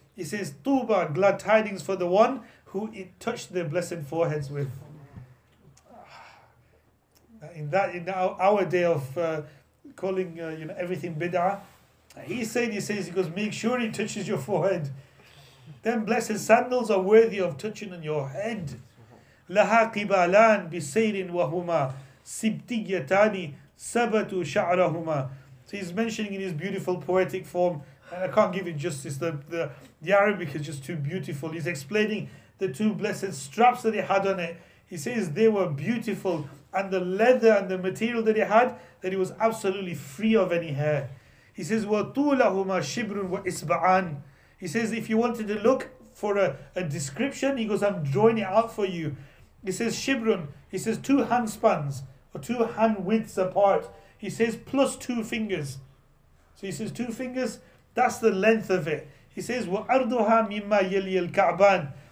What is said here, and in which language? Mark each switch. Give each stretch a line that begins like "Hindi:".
English: He says, Tuba, glad tidings for the one who it touched their blessed foreheads with. In our day of calling everything bid'ah, he says, because make sure it touches your forehead. Then blessed sandals are worthy of touching on your head.
Arabic: لها قبالان بسير وهما سبتيتان سبتوا شعرهما.
English: So he's mentioning in his beautiful poetic form, and I can't give it justice, the Arabic is just too beautiful. He's explaining the two blessed straps that he had on it. He says they were beautiful, and the leather and the material that he had, that he was absolutely free of any hair. He says
Arabic: وطولهما شبر وإسبعان.
English: He says if you wanted to look for a description, he goes, I'm drawing it out for you. He says shibrun. He says two hand spans or two hand widths apart. He says plus two fingers. So he says two fingers. That's the length of it. He says
Arabic: wa arduha mimma yali al ka'ban.